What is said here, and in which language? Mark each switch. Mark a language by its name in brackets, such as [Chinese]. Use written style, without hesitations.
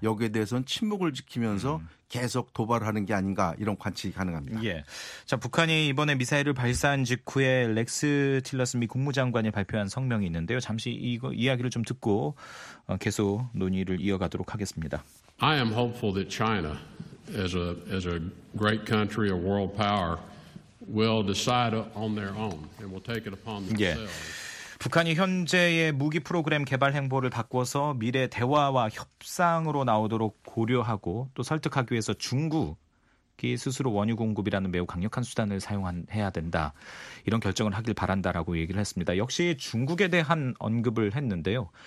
[Korean] 여기에 대해서는 침묵을 지키면서 계속 도발하는 게 아닌가 이런 관측이 가능합니다. 예. 자, 북한이 이번에 미사일을 발사한 직후에 렉스 틸러슨 미 국무장관이 발표한 성명이 있는데요. 잠시 이거 이야기를 좀 듣고 계속 논의를 이어가도록 하겠습니다. [English] I am hopeful that China as a great country, a world power, will decide on their own and will take it upon themselves. [Korean] 예. 북한이 현재의 무기 프로그램 개발 행보를 바꿔서 미래 대화와 협상으로 나오도록 고려하고 또 설득하기 위해서 중국이 스스로 원유 공급이라는 매우 강력한 수단을 사용해야 된다. 이런 결정을 하길 바란다라고 얘기를 했습니다. 역시 중국에 대한 언급을 했는데요.